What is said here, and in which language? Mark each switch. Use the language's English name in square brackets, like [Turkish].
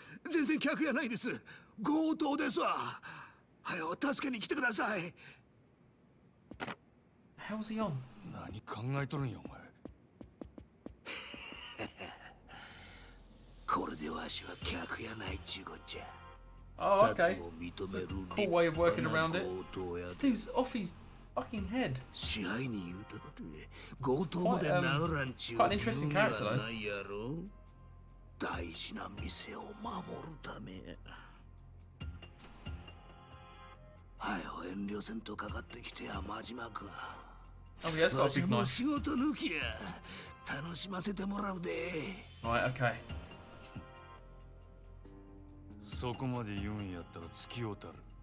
[Japanese] 全然客やないです。強盗ですわ。早く助けに来てください。 [English] How's he on? [Japanese] 何考えとるんや、お前。これでわしは客やないっちゅうこっちゃ。 [English] Oh, okay. It's a cool way of working around it. This dude's off his fucking head. Quite an interesting character, though. Oh, yeah, it's got a big knife. Alright, okay. [Japanese] そこまで言うんやったら付き合うたる。